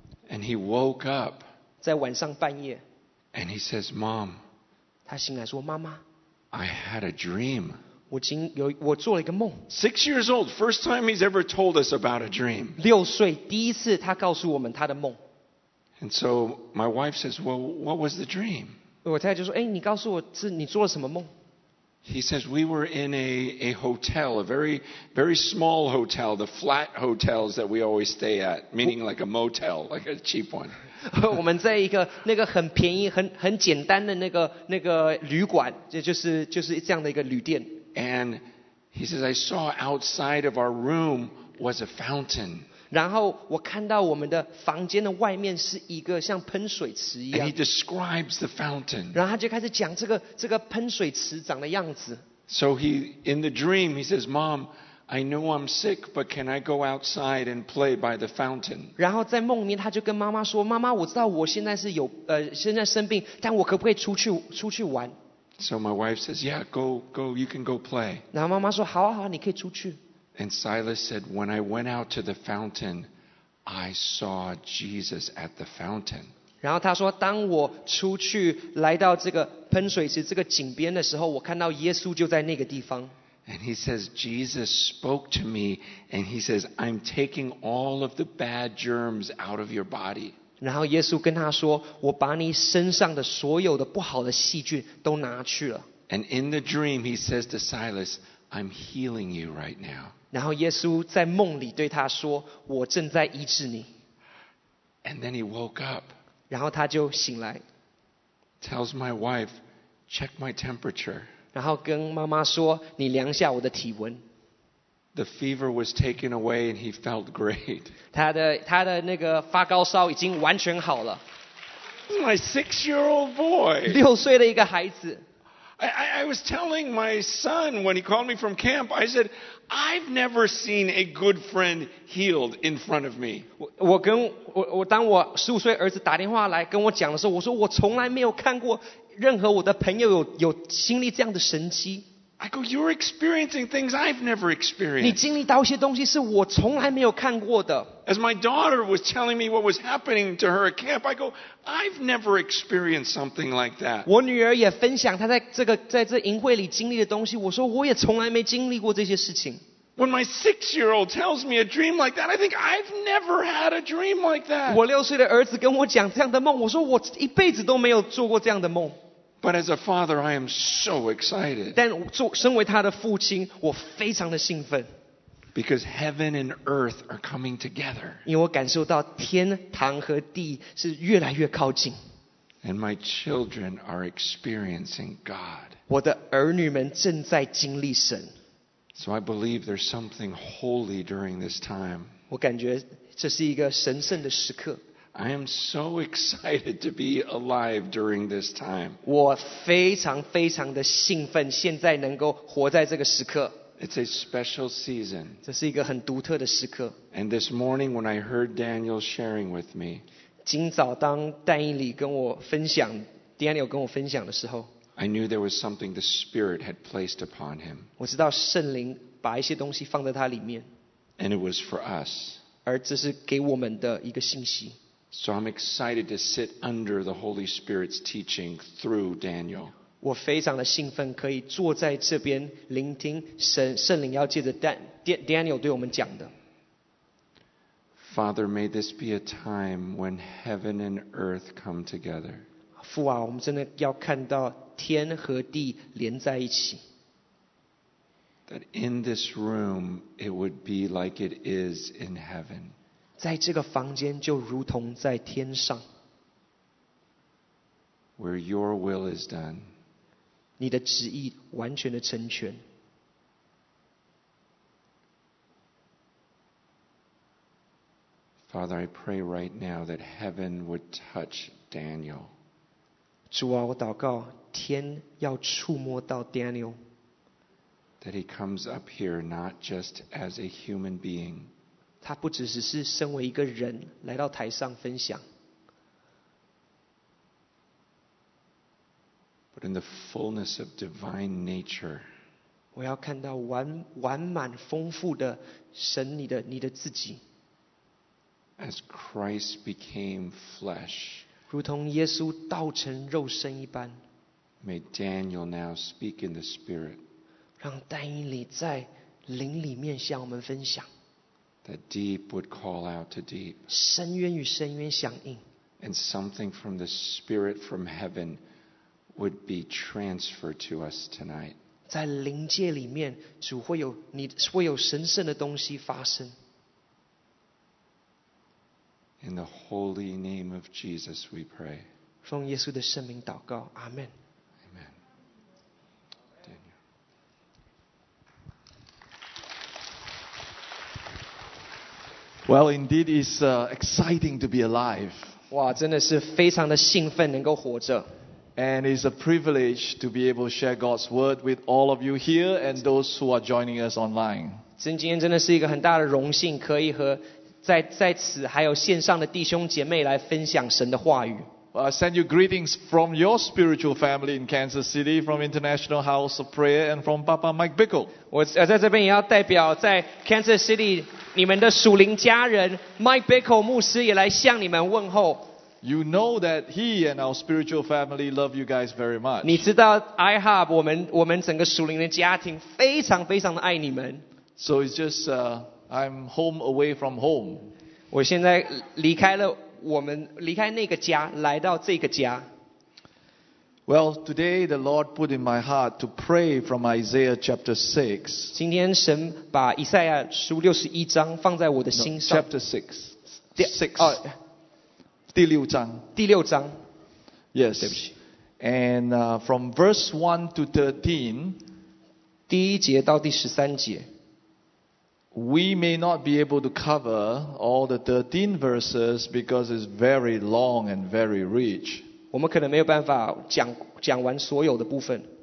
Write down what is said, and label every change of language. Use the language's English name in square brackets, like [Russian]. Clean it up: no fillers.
[English] And he woke up. [Chinese] 在晚上半夜。 [English] And he says, Mom, [Chinese] 他醒来说妈妈 [English] I had a dream. [Chinese] 我做了一个梦 [English] 6 years old, first time he's ever told us about a dream. [Chinese] 六岁第一次他告诉我们他的梦 [English] And so my wife says, well, what was the dream? [Chinese] 我太太就说你告诉我你做了什么梦 [English] He says, we were in a hotel, a very, very small hotel, the flat hotels that we always stay at, meaning like a motel, like a cheap one. [Chinese] 我们在一个那个很便宜、很简单的那个旅馆，就是这样的一个旅店。 [English] And he says, I saw outside of our room was a fountain. [Chinese] 然后我看到我们的房间的外面是一个像喷水池一样。 [English] And he describes the fountain. [Chinese] 然后他就开始讲这个喷水池长的样子。 [English] So he in the dream he says, Mom. I know I'm sick, but can I go outside and play by the fountain? [Chinese] 然后在梦里面，他就跟妈妈说：“妈妈，我知道我现在是有现在生病，但我可不可以出去玩 [English] ？”So my wife says, "Yeah, go, you can go play." [Chinese] 然后妈妈说：“好啊，好啊，你可以出去。 [English] ”And Silas said, "When I went out to the fountain, I saw Jesus at the fountain." [Chinese] 然后他说：“当我出去来到这个喷水池这个井边的时候，我看到耶稣就在那个地方。” [English] And he says, Jesus spoke to me, and he says, I'm taking all of the bad germs out of your body. [Chinese] 然后耶稣跟他说，我把你身上的所有的不好的细菌都拿去了。 [English] And in the dream, he says to Silas, I'm healing you right now. [Chinese] 然后耶稣在梦里对他说，我正在医治你。 [English] And then he woke up. [Chinese] 然后他就醒来。 [English] Tells my wife, check my temperature. [Chinese] 然后跟妈妈说：“你量下我的体温。” [English] The fever was taken away, and he felt great. [Chinese] 他的那个发高烧已经完全好了。 [English] My 6-year-old boy. [Chinese] 六岁的一个孩子。 [English] I was telling my son when he called me from camp, I said, I've never seen a good friend healed in front of me. [Chinese] 我当我十五岁儿子打电话来跟我讲的时候，我说我从来没有看过任何我的朋友有经历这样的神迹。 [English] I go, you're experiencing things I've never experienced. [Chinese] 你经历到一些东西是我从来没有看过的。 [English] As my daughter was telling me what was happening to her at camp, I go, I've never experienced something like that. [Chinese] 我女儿也分享她在这营会里经历的东西，我说我也从来没经历过这些事情。 [English] When my six-year-old tells me a dream like that, I think I've never had a dream like that. [Chinese] 我六岁的儿子跟我讲这样的梦，我说我一辈子都没有做过这样的梦。 [English] But as a father, I am so excited. [Chinese] 但身为他的父亲，我非常的兴奋。 [English] Because heaven and earth are coming together. [Chinese] 因为我感受到天堂和地是越来越靠近。 [English] And my children are experiencing God. [Chinese] 我的儿女们正在经历神。 [English] So I believe there's something holy during this time. [Chinese] 我感觉这是一个神圣的时刻。 [English] I am so excited to be alive during this time. [Chinese] 我非常非常的兴奋，现在能够活在这个时刻。 [English] It's a special season. [Chinese] 这是一个很独特的时刻。 [English] And this morning when I heard Daniel sharing with me, [Chinese] 今早当Daniel跟我分享的时候， [English] I knew there was something the Spirit had placed upon him. [Chinese] 我知道圣灵把一些东西放在他里面。 [English] And it was for us. [Chinese] 而这是给我们的一个信息。 [English] So I'm excited to sit under the Holy Spirit's teaching through Daniel. [Chinese] 我非常的兴奋可以坐在这边聆听圣灵要借着 Daniel 对我们讲的。 [English] Father, may this be a time when heaven and earth come together. [Chinese] 父啊，我们真的要看到天和地连在一起。 [English] That in this room it would be like it is in heaven. [Chinese] 在这个房间就如同在天上 [English] Where your will is done [Chinese] 你的旨意完全的成全 [English] Father, I pray right now that heaven would touch Daniel [Chinese] 主啊，我祷告天要触摸到 Daniel [English] That he comes up here not just as a human being [Chinese] 他不只只是身为一个人来到台上分享 [English] But in the fullness of divine nature [Chinese] 我要看到完满丰富的神你的自己 [English] As Christ became flesh [Chinese] 如同耶稣道成肉身一般 [English] May Daniel now speak in the spirit [Chinese] 让但以理在灵里面向我们分享 [English] That deep would call out to deep. [Chinese] 深渊与深渊相应。 [English] And something from the Spirit from heaven would be transferred to us tonight. [Chinese] 在灵界里面，主会有神圣的东西发生。 [English] In the holy name of Jesus, we pray. [Chinese] 奉耶稣的圣名祷告，阿门。 [English] Well, indeed, it's exciting to be alive. [Chinese] 哇，真的是非常的兴奋能够活着。 [English] And it's a privilege to be able to share God's word with all of you here and those who are joining us online. [Chinese] 今天真的是一个很大的荣幸，可以和在此还有线上的弟兄姐妹来分享神的话语。 [English] I send you greetings from your spiritual family in Kansas City, from International House of Prayer, and from Papa Mike Bickle. [Chinese] 我在这边也要代表在 Kansas City 你们的属灵家人 Mike Bickle 牧师也来向你们问候。 [English] You know that he and our spiritual family love you guys very much. [Chinese] 你知道 iHub 我们整个属灵的家庭非常非常的爱你们。 [English] So it's just I'm home away from home. [Chinese] 我现在离开了。我们离开那个家，来到这个家。 [English] Well, today the Lord put in my heart to pray from Isaiah chapter 6. [Chinese] 今天神把以赛亚书六十一章放在我的心上。 [English] No, chapter 6. [Chinese] 第六章。第六章。 [English] Yes. [Chinese] 对不起。 [English] And from verse 1 to 13. [Chinese] 第一节到第十三节。 [English] We may not be able to cover all the 13 verses because it's very long and very rich. [Chinese] 我们可能没有办法讲完所有的部分。